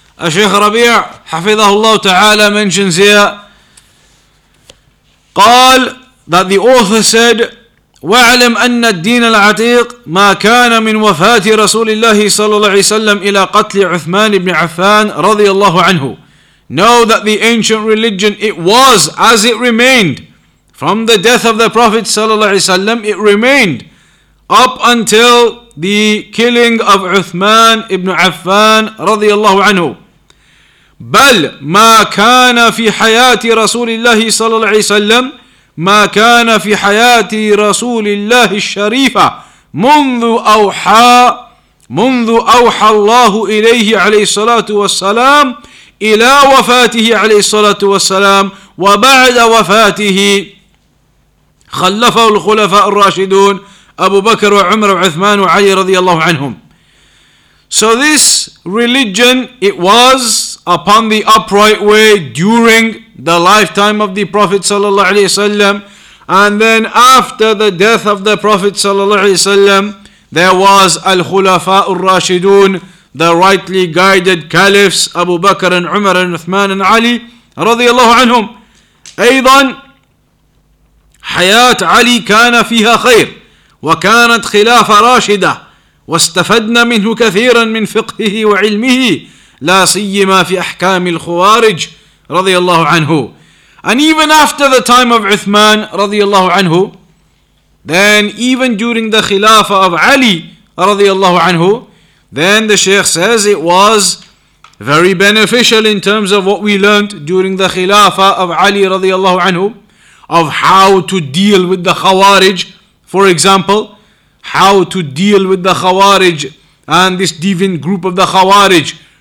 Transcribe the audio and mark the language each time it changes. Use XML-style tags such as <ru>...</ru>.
<en>Shaykh Rabi' hafidhahullah ta'ala mentions here,</en> <ar>قال,</ar> <en>that the author said,</en> <ar>وَعْلَمْ أَنَّ الدِّينَ الْعَتِيقِ مَا كَانَ مِنْ وَفَاةِ رَسُولِ اللَّهِ صَلَّى اللَّهِ وَسَلَّمْ إِلَىٰ قَتْلِ عُثْمَانِ بْنِ عَفَّانِ رَضِيَ اللَّهُ عَنْهُ.</ar> <en>Know that the ancient religion, it was as it remained from the death of the Prophet sallallahu alaihi wasallam, it remained up until the killing of Uthman ibn Affan radiyallahu anhu.</en> <ar>بَلْ مَا كَانَ فِي حَيَاتِ رَسُولِ اللَّهِ صَلَّى اللَّهِ وَسَلَّمْ ما كان في حياة رسول الله الشريفة منذ أوحى الله إليه عليه الصلاة والسلام إلى وفاته عليه الصلاة والسلام وبعد وفاته خلفه الخلفاء الراشدون أبو بكر وعمر وعثمان وعلي رضي الله عنهم.</ar> <en>So this religion, it was upon the upright way during the lifetime of the Prophet sallallahu alaihi wasallam, and then after the death of the Prophet sallallahu alaihi wasallam, there was al-Khulafa al-Rashidun, the rightly guided caliphs Abu Bakr and Umar and Uthman and Ali radiyallahu anhum. Aidan,</en> <ar>حياة علي كان فيها خير وكانت خلافة راشدة، واستفدنا منه كثيرا من فقهه وعلمه، لا سيما في أحكام الخوارج رضي الله عنه.</ar> <en>And even after the time of Uthman رضي الله عنه, then even during the Khilafah of Ali رضي الله عنه, then the Shaykh says it was very beneficial in terms of what we learned during the Khilafah of Ali رضي الله عنه, of how to deal with the Khawarij, for example, how to deal with the Khawarij and this deviant group of the Khawarij.</en>